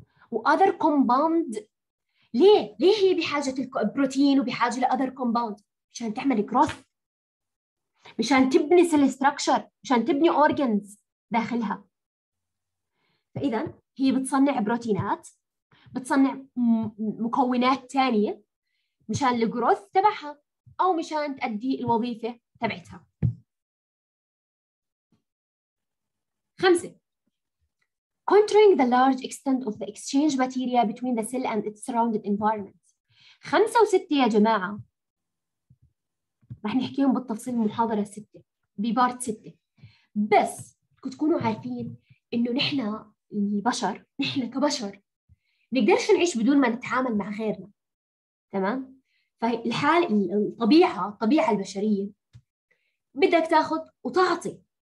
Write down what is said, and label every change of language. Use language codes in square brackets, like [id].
[ar] وأذر كومباوند، ليه هي بحاجة البروتين وبحاجة لأذر كومباوند؟ مشان تعمل جروث، مشان تبني سيل ستراكشر، مشان تبني أورجنز داخلها. فإذا هي بتصنع بروتينات، بتصنع مكونات تانية مشان الجروث تبعها أو مشان تأدي الوظيفة تبعتها. خمسة، [en] Controlling the large extent of the exchange material between the cell and its surrounded environment. [ar] خمسة وستة يا جماعة رح نحكيهم بالتفصيل المحاضرة ستة، ببارت ستة، بس تكونوا عارفين إنه نحن البشر، نحن كبشر نقدرش نعيش بدون ما نتعامل مع غيرنا، تمام؟ فالحال الطبيعة، الطبيعة البشرية بدك تاخذ وتعطي.